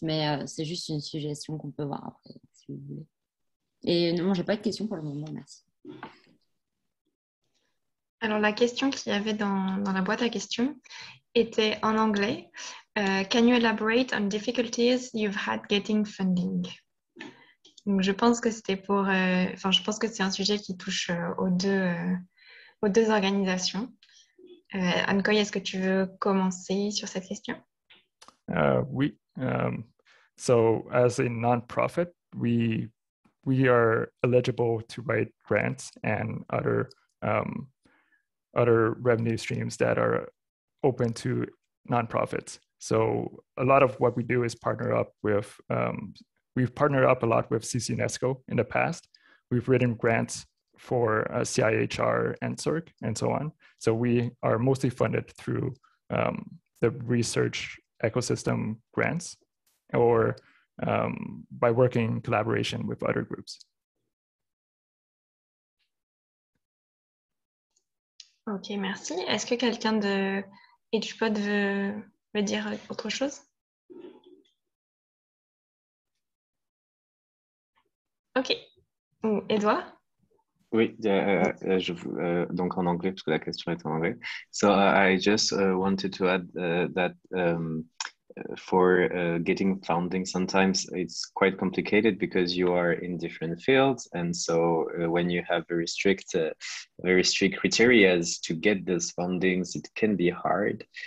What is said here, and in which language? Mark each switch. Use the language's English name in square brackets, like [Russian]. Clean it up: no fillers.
[French] Mais c'est juste une suggestion qu'on peut voir après, si vous voulez. Et non, j'ai pas de questions pour le moment, merci. Alors, la question qu'il y avait dans la boîte à questions était en anglais. [English] Can you elaborate on difficulties you've had getting funding? [French] Donc, je pense que c'était pour... je pense que c'est un sujet qui touche aux deux organisations. Nkoy, est-ce que tu veux commencer sur cette question? Oui. [English] So, as a non-profit, we are eligible to write grants and other revenue streams that are open to nonprofits. So a lot of what we do is partner up with, we've partnered up a lot with CCUNESCO in the past. We've written grants for CIHR and CERC and so on. So we are mostly funded through the research ecosystem grants or by working in collaboration with other groups. [French] OK, merci. Est-ce que quelqu'un de HPOD veut dire autre chose? OK. Ou Edouard? Oui, donc en anglais, parce que la question est en anglais. [English] So I just wanted to add that for getting funding, sometimes it's quite complicated because you are in different fields, and so when you have very strict criteria to get those fundings, it can be hard.